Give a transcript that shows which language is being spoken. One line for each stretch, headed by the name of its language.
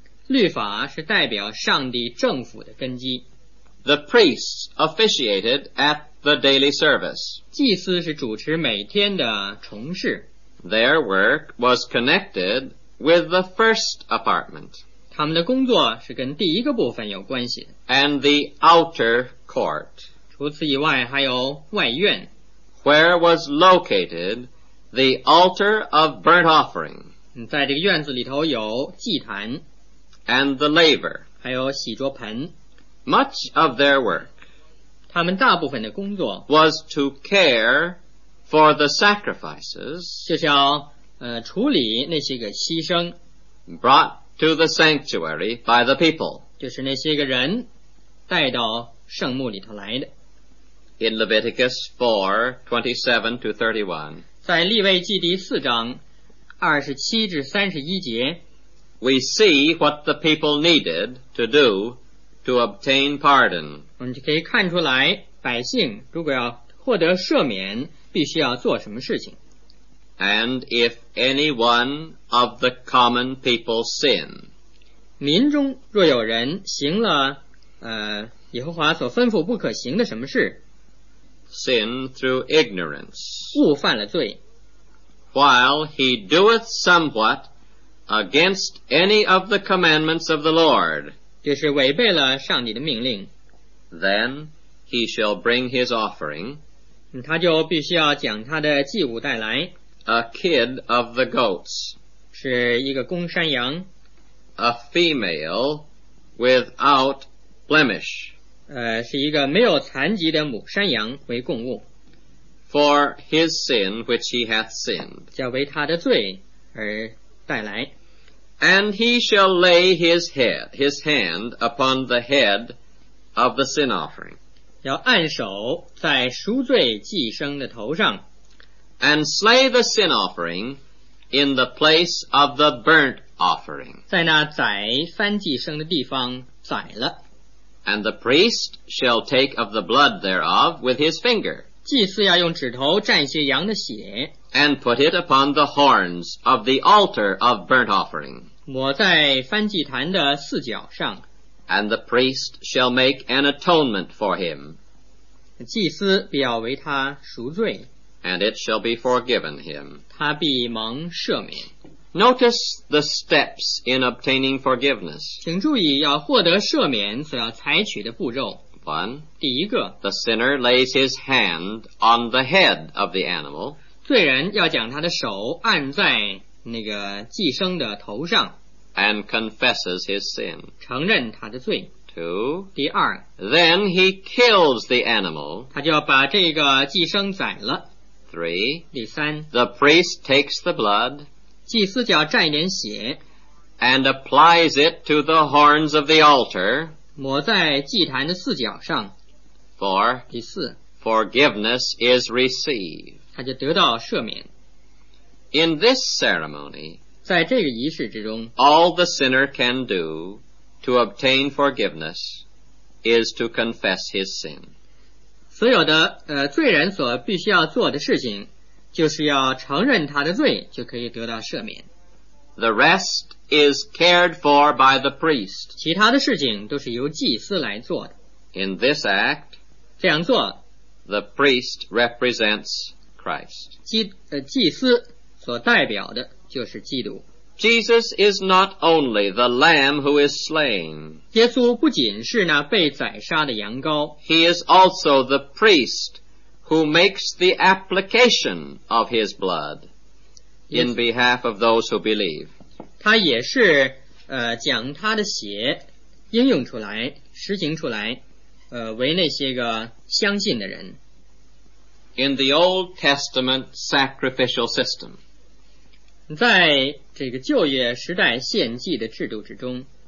Chinese: 律法是代表上帝政府的根基。
English: The priests officiated at the daily service.
Chinese: 祭司是主持每天的重事。
English: Their work was connected with the first apartment.
Chinese: 他们的工作是跟第一个部分有关系的。
English: And the outer court.
Chinese: 除此以外还有外院。
English: Where was located the altar of burnt offering,
Chinese: 在这个院子里头有祭坛,
English: and the laver,
Chinese: 还有洗桌盆。
English: Much of their work,
Chinese: 他们大部分的工作,
English: was to care for the sacrifices,
Chinese: 就是要处理那些个牺牲,
English: brought to the sanctuary by the people,
Chinese: 就是那些个人带到圣墓里头来的。
English: In Leviticus 4:27-31,
Chinese: 在利未记第四章二十七至三十一节
English: We see what the people needed to do to obtain pardon.
Chinese: 我们就可以看出来百姓如果要获得赦免必须要做什么事情。
English: And if any one of the common people sin,
Chinese: 民中若有人行了耶和华所吩咐不可行的什么事，
English: sin through ignorance,
Chinese: 误犯了罪。
English: While he doeth somewhat against any of the commandments of the Lord,
Chinese: 就是违背了上帝的命令。
English: Then he shall bring his offering,
Chinese: 他就必须要将他的祭物带来。
English: A kid of the goats,
Chinese: 是一个公山羊。
English: A female without blemish,
Chinese: 是一个没有残疾的母山羊为供物。
English: For his sin which he hath sinned,
Chinese: 叫为他的罪而带来。
English: And he shall lay his hand upon the head of the sin offering,
Chinese: 要按手在赎罪祭牲的头上。
English: And slay the sin offering in the place of the burnt offering,
Chinese: 在那宰燔祭牲的地方宰了。
English: And the priest shall take of the blood thereof with his finger,
Chinese: 祭司要用指头蘸些羊的血,
English: and put it upon the horns of the altar of burnt offering,
Chinese: 抹在燔祭坛的四角上。
English: And the priest shall make an atonement for him,
Chinese: 祭司必要为他赎罪。
English: And it shall be forgiven him,
Chinese: 他必蒙赦免。
English: Notice the steps in obtaining forgiveness.
Chinese: 请注意要获得赦免所要采取的步骤。
English: One,
Chinese: 第一个,
English: the sinner lays his hand on the head of the animal.
Chinese: 罪人要将他的手按在那个祭牲的头上。
English: And confesses his sin.
Chinese: 承认他的罪。
English: Two,
Chinese: 第二,
English: then he kills the animal.
Chinese: 他就要把这个祭牲宰了。
English: Three,
Chinese: 第三,
English: the priest takes the blood.
Chinese: 祭司就要蘸一点血,
English: and applies it to the horns of the altar,
Chinese: 抹在祭坛的四角上。
English: For,
Chinese: 第四,
English: forgiveness is received,
Chinese: 他就得到赦免。
English: In this ceremony,
Chinese: 在这个仪式之中,
English: all the sinner can do to obtain forgiveness is to confess his sin.
Chinese: 所有的罪人所必须要做的事情，就是要承认他的罪，就可以得到赦免。
English: The rest is cared for by the priest.
Chinese: 其他的事情都是由祭司来做的。
English: In this act,
Chinese: 这样做，
English: the priest represents Christ.
Chinese: 祭司所代表的就是基督。
English: Jesus is not only the lamb who is slain.
Chinese: 耶稣不仅是那被宰杀的羊羔。
English: He is also the priest who makes the application of his blood in behalf of those who believe.
Chinese: 他也是将他的血应用出来，实行出来，为那些个相信的人。
English: In the Old Testament sacrificial system,
Chinese: 在这个旧约时代献祭的制度之中，